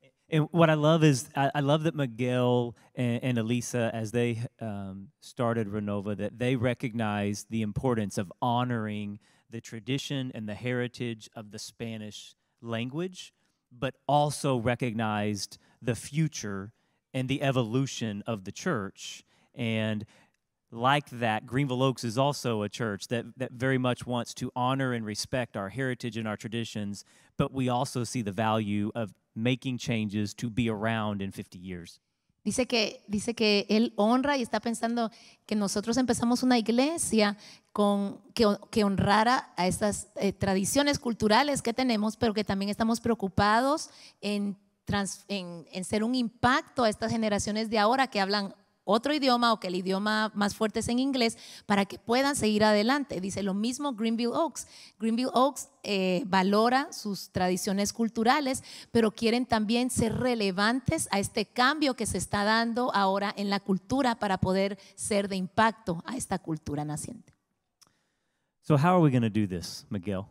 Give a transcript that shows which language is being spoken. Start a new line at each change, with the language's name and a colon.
English: And what I love is, I love that Miguel and Elisa, as they started Renova, that they recognized the importance of honoring the tradition and the heritage of the Spanish language, but also recognized the future and the evolution of the church. And like that, Greenville Oaks is also a church that very much wants to honor and respect our heritage and our traditions, but we also see the value of making changes to be around in 50 years.
Spanish: Dice que él honra y está pensando que nosotros empezamos una iglesia con que honrara a estas tradiciones culturales que tenemos, pero que también estamos preocupados en ser un impacto a estas generaciones de ahora que hablan otro idioma o que el idioma más fuerte es en inglés para que puedan seguir adelante. Dice lo mismo Greenville Oaks. Greenville Oaks valora sus tradiciones culturales, pero quieren también ser relevantes a este cambio que se está dando ahora en la cultura para poder ser de impacto a esta cultura naciente.
English: So how are we going to do this, Miguel?